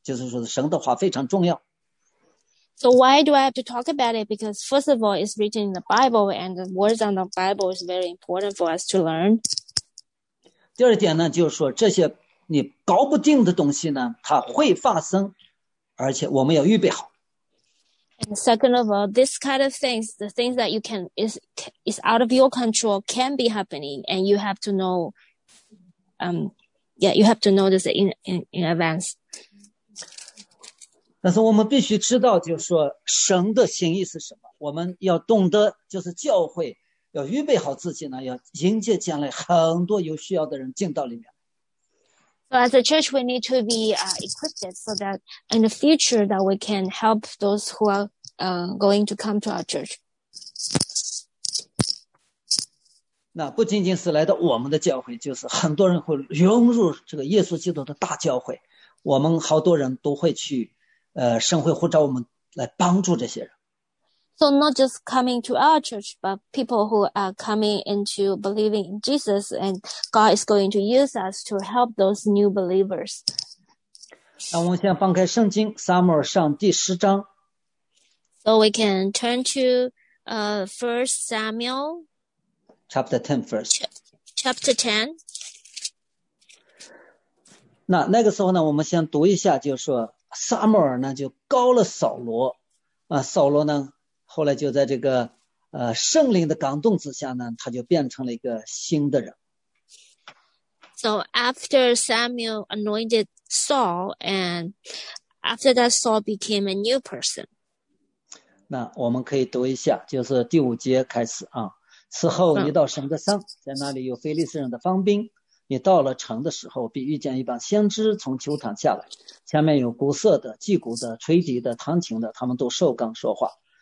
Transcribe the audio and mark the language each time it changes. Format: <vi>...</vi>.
<zh>那我们为什么要讲这个圣经呢？因为第一个，它写在圣经里面，就是说神的话非常重要。</zh> <en>So why do I have to talk about it? Because first of all, it's written in the Bible, and the words on the Bible is very important for us to learn.</en> <zh>第二点呢，就是说这些。你搞不定的东西呢，它会发生，而且我们要预备好。</zh> <en>And second of all, this kind of things, the things that you can is out of your control can be happening, and you have to know. You have to know this in advance.</en> <zh>但是我们必须知道，就是说神的心意是什么。我们要懂得，就是教会要预备好自己呢，要迎接将来很多有需要的人进到里面。</zh> <en>So as a church, we need to be equipped so that in the future that we can help those who are going to come to our church.</en> <zh>那不仅仅是来到我们的教会，就是很多人会融入这个耶稣基督的大教会。我们好多人都会去，神会呼召我们来帮助这些人。</zh> <en>So not just coming to our church, but people who are coming into believing in Jesus, and God is going to use us to help those new believers.</en> <zh>让我们先翻开圣经《撒母耳上》第十章。</zh> <en>So we can turn to First Samuel. Chapter 10 first. Chapter 10.</en> <zh>那个时候呢，我们先读一下，就是说撒母耳呢就告了扫罗，扫罗呢后来就在这个圣灵的感动之下呢，他就变成了一个新的人。</zh> <en>So after Samuel anointed Saul, and after that Saul became a new person.</en> <zh>那我们可以读一下，就是第五节开始啊。此后你到神的山，在那里有非利士人的方兵。你到了城的时候，必遇见一帮先知从丘坛下来，前面有鼓瑟的、击鼓的、吹笛的、弹琴的，他们都受感说话。</zh>